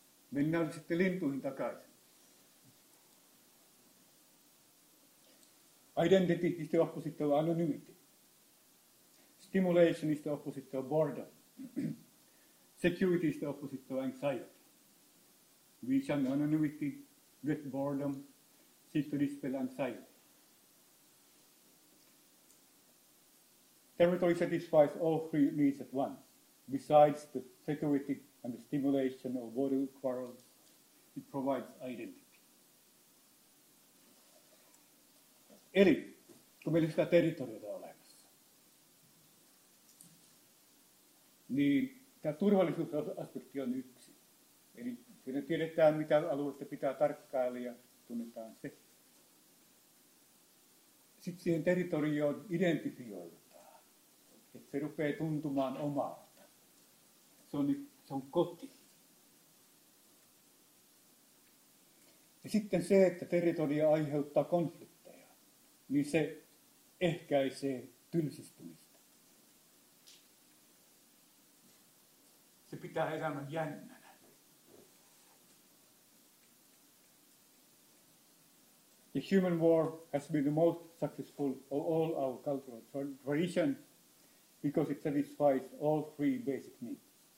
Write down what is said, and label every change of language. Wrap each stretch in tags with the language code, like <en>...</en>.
<fi>Mennään sitten lintuihin takaisin.</fi> <en>Identity is the opposite of anonymity. Stimulation is the opposite of boredom. Security is the opposite of anxiety. We shun anonymity with boredom, seek to dispel anxiety. Territory satisfies all three needs at once, besides the security and the stimulation of border quarrels, it provides identity.</en> <fi>Eli, kun meillä sitä territoriota on olemassa, niin tämä turvallisuusaspekti on yksi. Eli siinä tiedetään, mitä aluetta pitää tarkkailla ja tunnetaan se. Sitten siihen territorioon identifioidutaan, että se rupeaa tuntumaan omalta. Se on koti. Ja sitten se, että territoria aiheuttaa konflikteja, niin se ehkäisee tylsistymistä. Se pitää elämän jännänä.</fi> <en>The human war has been the most successful of all our cultural traditions because it satisfies all three basic needs.</en>